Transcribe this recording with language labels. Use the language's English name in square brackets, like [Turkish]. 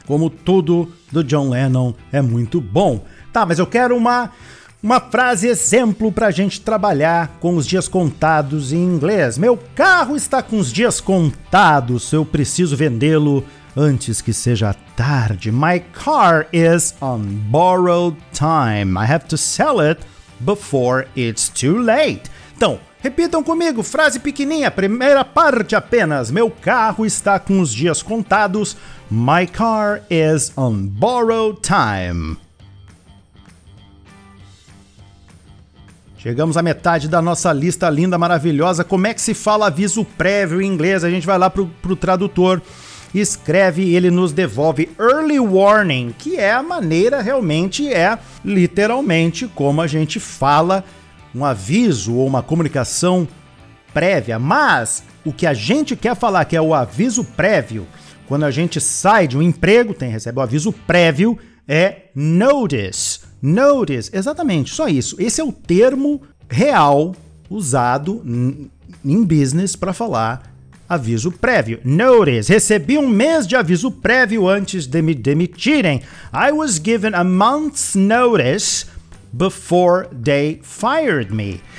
[Portuguese] Como tudo do John Lennon é muito bom. Tá, mas eu quero uma frase exemplo para a gente trabalhar com os dias contados em inglês. Meu carro está com os dias contados, eu preciso vendê-lo antes que seja tarde. [English] My car is on borrowed time. I have to sell it before it's too late. [Portuguese] Então, repitam comigo, frase pequenininha, primeira parte apenas. Meu carro está com os dias contados. [English] My car is on borrowed time. [Portuguese] Chegamos à metade da nossa lista linda, maravilhosa. Como é que se fala aviso prévio em inglês? A gente vai lá pro tradutor, escreve e ele nos devolve early warning, que é a maneira realmente, é literalmente como a gente fala um aviso ou uma comunicação prévia, mas o que a gente quer falar, que é o aviso prévio, quando a gente sai de um emprego, recebe o aviso prévio, é notice. Notice, exatamente, só isso. Esse é o termo real usado em business para falar aviso prévio. Notice, recebi um mês de aviso prévio antes de me demitirem. [English] I was given a month's notice before they fired me.